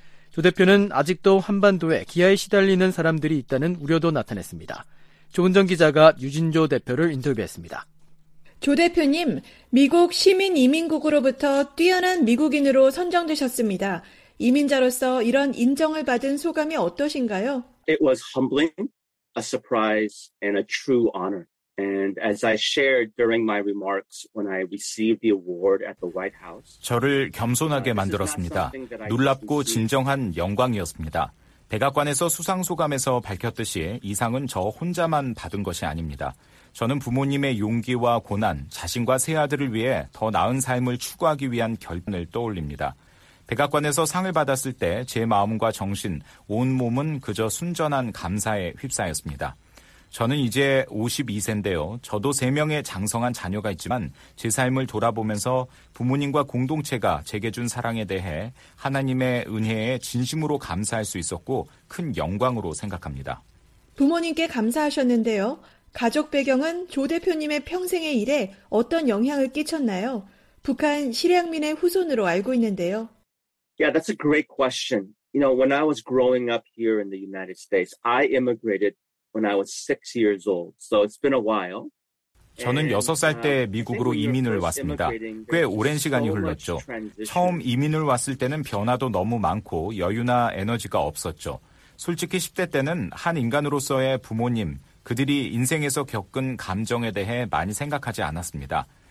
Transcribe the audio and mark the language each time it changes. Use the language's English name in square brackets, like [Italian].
[Korean] 조 대표는 아직도 한반도에 기아에 시달리는 사람들이 있다는 우려도 나타냈습니다. 조은전 기자가 유진조 대표를 인터뷰했습니다. 조 대표님, 미국 시민 이민국으로부터 뛰어난 미국인으로 선정되셨습니다. 이민자로서 이런 인정을 받은 소감이 어떠신가요? [English] It was humbling. A surprise and a true honor. And as I shared during my remarks when I received the award at the White House, [Korean] 저를 겸손하게 만들었습니다. 놀랍고 진정한 영광이었습니다. 백악관에서 수상 소감에서 밝혔듯이 이 상은 저 혼자만 받은 것이 아닙니다. 저는 부모님의 용기와 고난, 자신과 세 아들을 위해 더 나은 삶을 추구하기 위한 결단을 떠올립니다. 백악관에서 상을 받았을 때 제 마음과 정신, 온 몸은 그저 순전한 감사에 휩싸였습니다. 저는 이제 52세인데요. 저도 세 명의 장성한 자녀가 있지만 제 삶을 돌아보면서 부모님과 공동체가 제게 준 사랑에 대해 하나님의 은혜에 진심으로 감사할 수 있었고 큰 영광으로 생각합니다. 부모님께 감사하셨는데요. 가족 배경은 조 대표님의 평생의 일에 어떤 영향을 끼쳤나요? 북한 실향민의 후손으로 알고 있는데요. [English] Yeah, that's a great question. You know, when I was growing up here in the United States, I immigrated when I was 6 years old. So it's been a while. [Korean] 저는 6살 때 미국으로 이민을 왔습니다. 꽤 오랜 시간이 흘렀죠. 처음 이민을 왔을 때는 변화도 너무 많고 여유나 에너지가 없었죠. 솔직히 10대 때는 한 인간으로서의 부모님, 그들이 인생에서 겪은 감정에 대해 많이 생각하지 않았습니다.